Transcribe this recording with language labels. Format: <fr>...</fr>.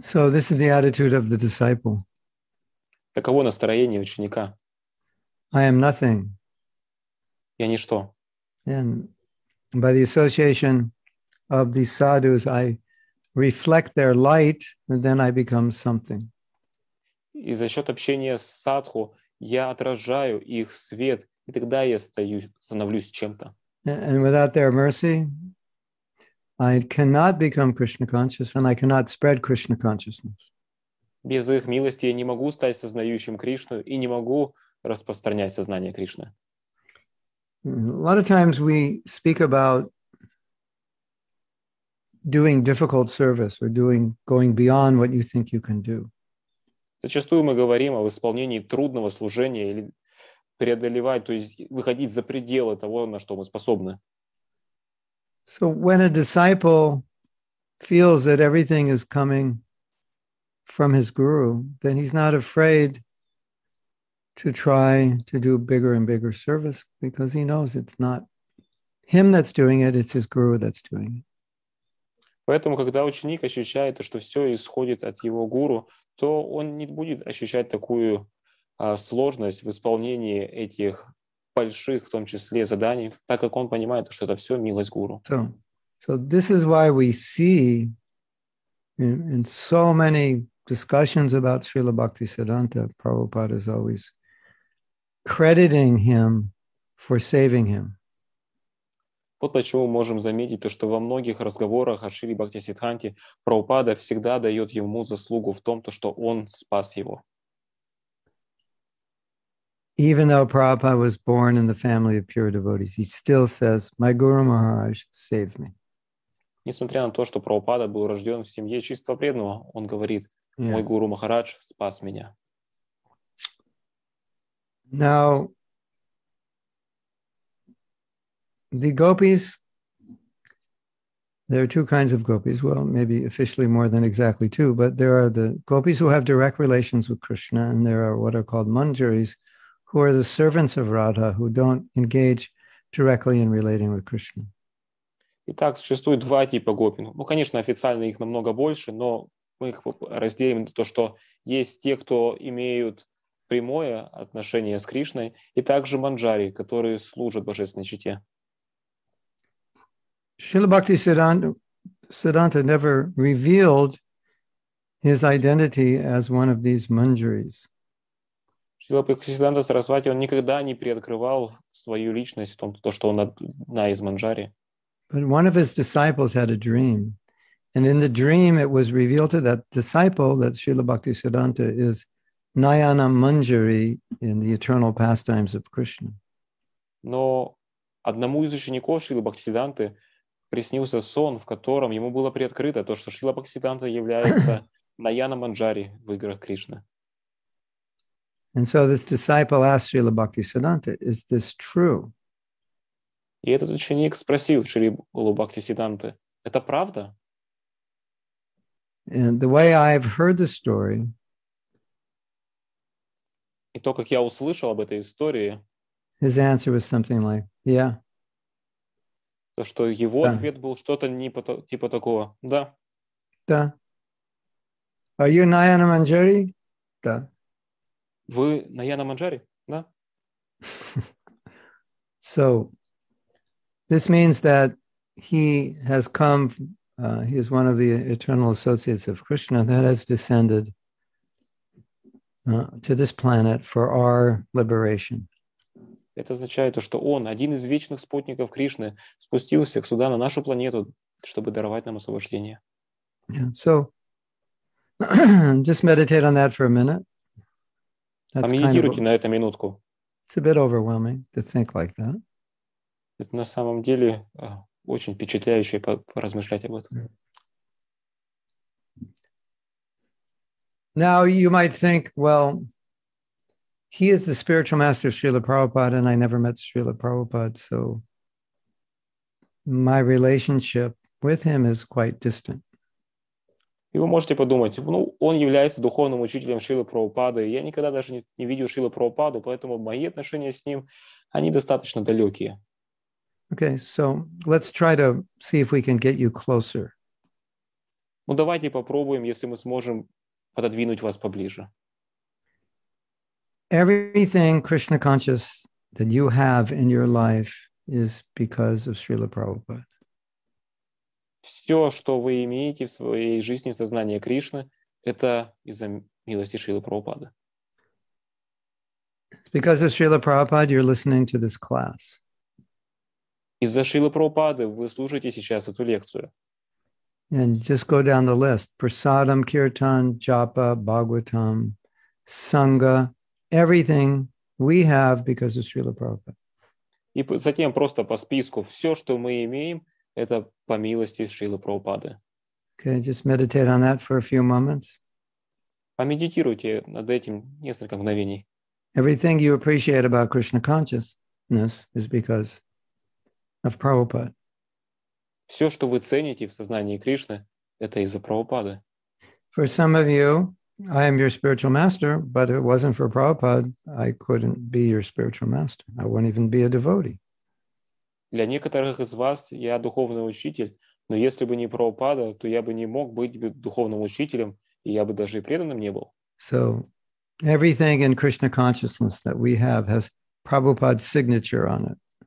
<en>So this is the attitude of the disciple.</en> <ru>Таково настроение ученика.</ru> <en>I am nothing.</en> <ru>Я ничто.</ru> <en>And by the association of the sadhus, I reflect their light, and then I become something.</en> <ru>И за счет общения с садху я отражаю их свет, и тогда я стою, становлюсь чем-то.</ru> <en>And without their mercy, I cannot become Krishna conscious, and I cannot spread Krishna consciousness.</en> <ru>Без их милости я не могу стать сознающим Кришну и не могу распространять сознание Кришны.</ru> <en>A lot of times we speak about doing difficult service or doing going beyond what you think you can do.</en> <ru>Зачастую мы говорим об исполнении трудного служения или преодолевать, то есть выходить за пределы того, на что мы способны.</ru> <en>So when a disciple feels that everything is coming from his guru, then he's not afraid to try to do bigger and bigger service because he knows it's not him that's doing it, it's his guru that's doing it.</en> <ru>Поэтому, когда ученик ощущает, что все исходит от его гуру, то он не будет ощущать такую сложность в исполнении этих больших, в том числе, заданий, так как он понимает, что это все милость гуру.</ru> <en>So this is why we see in so many discussions about Srila Bhaktisiddhanta, Prabhupada is always crediting him for saving him.</en> <ru>Вот почему мы можем заметить то, что во многих разговорах о Шри Бхактисиддханте Прабхупада всегда дает ему заслугу в том, то, что он спас его.</ru> <en>Even though Prabhupada was born in the family of pure devotees, he still says, "My Guru Maharaj saved me."</en> <ru>Несмотря на то, что Прабхупада был рожден в семье чистого преданного, он говорит, "Мой Гуру Махарадж спас меня."</ru> <en>Now, the gopis, there are two kinds of gopis, well, maybe officially more than exactly two, but there are the gopis who have direct relations with Krishna, and there are what are called manjaris, who are the servants of Radha, who don't engage directly in relating with Krishna.</en> <ru>Итак, существует два типа гопин. Ну, конечно, официально их намного больше, но мы их разделим на то, что есть те, кто имеют прямое отношение с Кришной, и также манджари, которые служат божественной чите.</ru> <en>Srila Bhaktisiddhanta never revealed his identity as one of these manjaris.</en> <ru>Srila Bhaktisiddhanta Sarasvati, он никогда не приоткрывал свою личность в том, то, что он одна из манджари.</ru> <en>But one of his disciples had a dream, and in the dream it was revealed to that disciple that Srila Bhaktisiddhanta is Nayana Manjari in the eternal pastimes of Krishna.</en> <ru>Но одному из учеников Шрилы Бхактисиддханты приснился сон, в котором ему было приоткрыто то, что Шрила Бхактисиддханта является Наяна Манджари в играх Кришны.</ru> <en>And so this disciple asked Srila Bhaktisiddhanta, is this true?</en> <ru>И этот ученик спросил Шрилу Бхактисиддханты, это правда?</ru> <en>And the way I've heard the story,</en> <ru>и то, как я услышал об этой истории,</ru> <en>his answer was something like, yeah.</en> <ru>То, что его ответ был что-то не по, типа такого. Да. Да.</ru> <en>Are you Nayana Manjari?</en> <ru>Да. Вы Nayana Manjari? Да.</ru> <en>So, this means that he has come, he is one of the eternal associates of Krishna that has descended to this planet for our liberation.</en> <ru>Это означает то, что он, один из вечных спутников Кришны, спустился сюда, на нашу планету, чтобы даровать нам освобождение.</ru> <en>Yeah. So, just meditate on that for a minute. That's</en> <ru>помедитируйте</ru> <en>kind of,</en> <ru>на эту минутку.</ru> <en>It's a bit overwhelming to think like that.</en> <ru>Это на самом деле очень впечатляюще поразмышлять об этом.</ru> <en>Now, you might think, well, he is the spiritual master of Srila Prabhupada, and I never met Srila Prabhupada, so my relationship with him is quite distant.</en> <ru>И вы можете подумать, ну, он является духовным учителем Шрилы Прабхупады, я никогда даже не видел Шрилу Прабхупаду, поэтому мои отношения с ним, они достаточно далекие.</ru> <en>Okay, so let's try to see if we can get you closer.</en> <ru>Ну, давайте попробуем, если мы сможем пододвинуть вас поближе.</ru> <en>Everything Krishna conscious that you have in your life is because of Srila Prabhupada.</en> <ru>Все, что вы имеете в своей жизни сознание Кришны, это из-за милости Шрилы Прабхупады.</ru> <en>It's because of Srila Prabhupada you're listening to this class.</en> <ru>Из-за Шрилы Прабхупады вы слушаете сейчас эту лекцию.</ru> <en>And just go down the list. Prasadam, Kirtan, Japa, Bhagavatam, Sangha, everything we have because of Srila Prabhupada.</en> <ru>И затем просто по списку все, что мы имеем, это по милости Шрилы Прабхупады.</ru> <en>Okay, just meditate on that for a few moments.</en> <ru>Помедитируйте над этим несколько мгновений.</ru> <en>Everything you appreciate about Krishna consciousness is because of Prabhupada.</en> <ru>Все, что вы цените в сознании Кришны, это из-за Прабхупады.</ru> <en>For some of you, I am your spiritual master, but if it wasn't for Prabhupada, I couldn't be your spiritual master. I wouldn't even be a devotee.</en> <ru>Для некоторых из вас я духовный учитель, но если бы не Прабхупада, то я бы не мог быть духовным учителем, и я бы даже и преданным не был.</ru> <en>So, everything in Krishna consciousness that we have has Prabhupada's signature on it.</en>